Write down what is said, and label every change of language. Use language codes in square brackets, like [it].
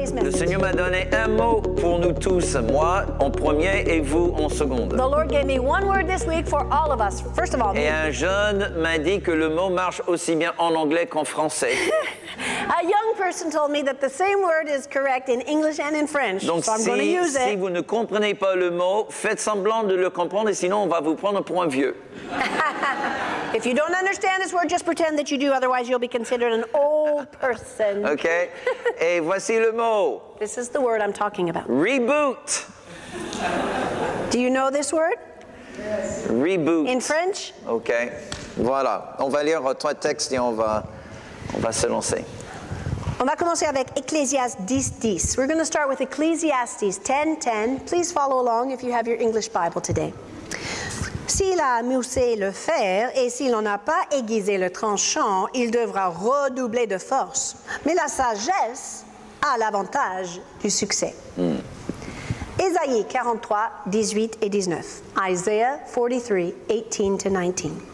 [fr] Seigneur m'a donné un mot pour nous tous, moi en premier et vous en seconde. [en] The Lord gave me one word this week for all of us. First of all, [fr] et un jeune m'a dit que le mot marche aussi bien en anglais qu'en français. [en] A young person told me that the same word is correct in English and in French. [fr] Donc [en] so I'm going to use it. [fr] Si vous ne comprenez pas le mot, faites semblant de le comprendre sinon on va vous prendre pour un vieux. [en] If you don't understand this word, just pretend that you do, otherwise you'll be considered an old person. Okay. [fr] Et voici le mot. [en] This is the word I'm talking about. Reboot. Do you know this word? Yes. Reboot. In French? Okay. [fr] Voilà. On va lire trois textes et on va se lancer. On va commencer avec Ecclésiastes 10:10. [en] We're going to start with Ecclésiastes 10:10. Please follow along if you have your English Bible today. [fr] S'il a moussé le fer et s'il n'en a pas aiguisé le tranchant, il devra redoubler de force. Mais la sagesse a l'avantage du succès. Ésaïe 43, 18 et 19. Isaiah 43, 18 to 19.